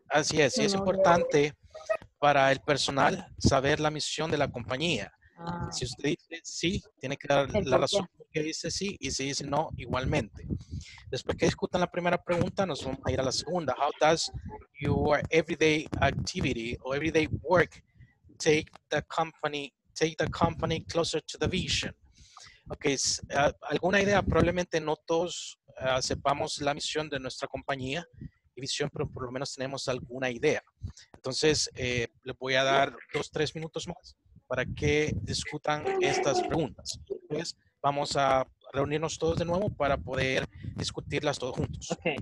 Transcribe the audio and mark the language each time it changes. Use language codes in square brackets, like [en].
[es] Así es, sí, y es no, importante no. Para el personal saber la misión de la compañía. Ah. Si usted dice sí, tiene que dar el la razón por qué dice sí, y si dice no, igualmente. Después que discutan la primera pregunta, nos vamos a ir a la segunda. [en] How does your everyday activity or everyday work take the company closer to the vision? [es] Okay, alguna idea, probablemente no todos sepamos la misión de nuestra compañía y visión, pero por lo menos tenemos alguna idea. Entonces, les voy a dar 2-3 minutos más para que discutan estas preguntas. Entonces, vamos a reunirnos todos de nuevo para poder discutirlas todos juntos.